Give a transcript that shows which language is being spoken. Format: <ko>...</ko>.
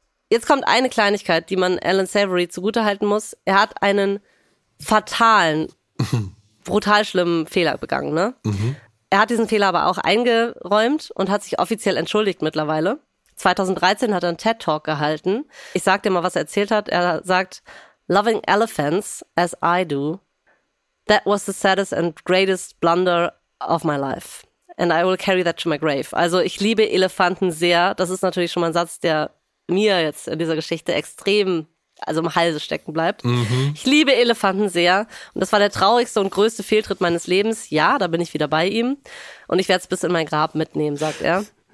<de>Jetzt kommt eine Kleinigkeit, die man Alan Savory zugutehalten muss. Er hat einen fatalen, brutal schlimmen Fehler begangen. Ne? Mhm. Er hat diesen Fehler aber auch eingeräumt und hat sich offiziell entschuldigt mittlerweile. 2013 hat er einen TED-Talk gehalten. Ich sag dir mal, was er erzählt hat. Er sagt,</de> <en>"Loving elephants as I do, that was the saddest and greatest blunder of my life. And I will carry that to my grave."</en> <de>Also ich liebe Elefanten sehr. Das ist natürlich schon mal ein Satz, der mir jetzt in dieser Geschichte extrem, also im Halse stecken bleibt. Mhm. Ich liebe Elefanten sehr. Und das war der traurigste und größte Fehltritt meines Lebens. Ja, da bin ich wieder bei ihm. Und ich werde es bis in mein Grab mitnehmen, sagt er.</de>